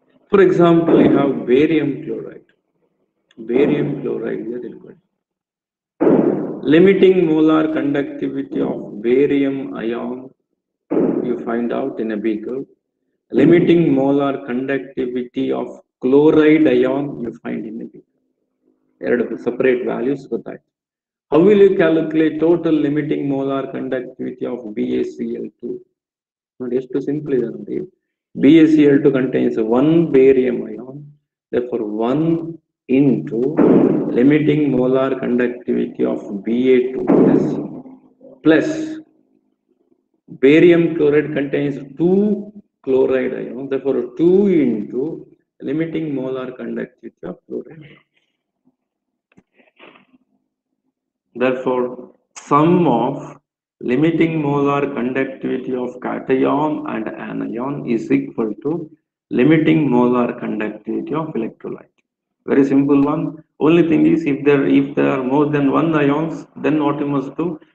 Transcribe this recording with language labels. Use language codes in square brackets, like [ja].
[en] For example, you have barium chloride. Barium chloride is equal to limiting molar conductivity of barium ion, you find out in a beaker. Limiting molar conductivity of chloride ion, you find in a beaker. [kn] ಎರಡು separate values ಗೊತ್ತಾಯ್ತು. [en] How will you calculate total limiting molar conductivity of B A C L two? [kn] ನೋಡಿ ಎಷ್ಟು simple ಇದೆ ನೋಡಿ. [en] B A C L two contains one barium ion, therefore one into limiting molar conductivity of B A two plus barium chloride contains two chloride ion, therefore two into limiting molar conductivity of chloride. Therefore, sum of limiting molar conductivity of cation and anion is equal to limiting molar conductivity of electrolyte. Very simple one. Only thing is, if there are more than one ions, then what you must do?